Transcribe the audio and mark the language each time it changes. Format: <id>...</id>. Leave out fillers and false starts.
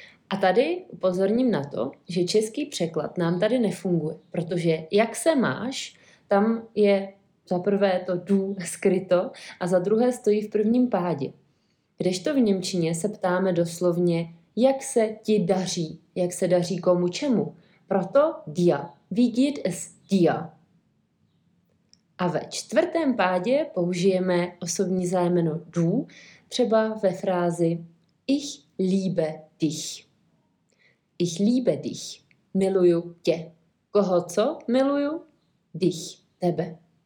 <cs>A tady upozorním na to, že český překlad nám tady nefunguje, protože jak se máš, tam je za prvé to du skryto a za druhé stojí v prvním pádě. Kdežto v němčině se ptáme doslovně, jak se ti daří, jak se daří komu čemu. Proto</cs> <de>dia, wie geht es dir.</de> <cs>A ve čtvrtém pádě použijeme osobní zájmeno du, třeba ve frázi</cs> <de>ich liebe dich. Ich liebe dich.</de> <cs>Miluju tě. Koho co miluju? Dich. Tebe.</cs>